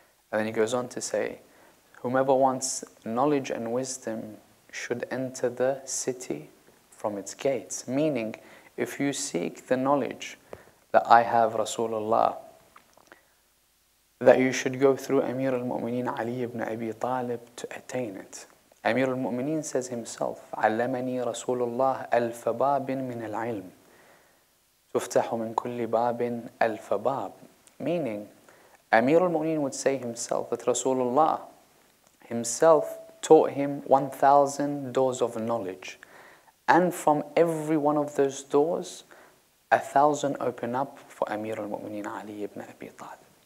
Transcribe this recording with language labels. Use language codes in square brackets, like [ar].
[en] And then he goes on to say, whomever wants knowledge and wisdom should enter the city from its gates. Meaning, if you seek the knowledge that I have, Rasulullah, that you should go through Amir al-Mu'mineen Ali ibn Abi Talib to attain it. Amir al-Mu'mineen says himself, [ar] عَلَّمَنِي رَسُولُ اللَّهِ أَلْفَ بَابٍ مِنَ الْعِلْمِ تُفْتَحُ مِنْ كُلِّ بَابٍ أَلْفَ بَابٍ. [en] Meaning, Amir al-Mu'mineen would say himself that Rasulullah himself taught him 1,000 doors of knowledge. And from every one of those doors, 1,000 open up for Amir al-Mu'mineen Ali ibn Abi Talib.